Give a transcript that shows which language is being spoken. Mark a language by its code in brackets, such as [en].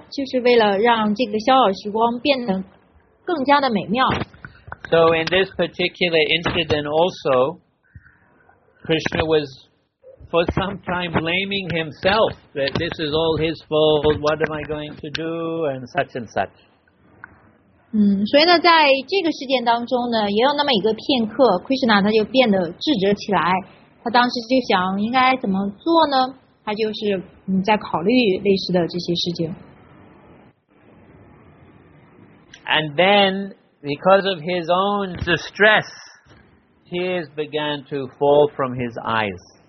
[zh] 就是为了让这个逍遥时光变得更加的美妙。 [en] So in this particular incident also, Krishna was for some time blaming himself that this is all his fault, what am I going to do, and such and such. [zh] 所以呢，在这个事件当中呢，也有那么一个片刻， Krishna 他就变得自责起来，他当时就想应该怎么做呢？他就是在考虑类似的这些事情。 [en] And then, because of his own distress, tears began to fall from his eyes.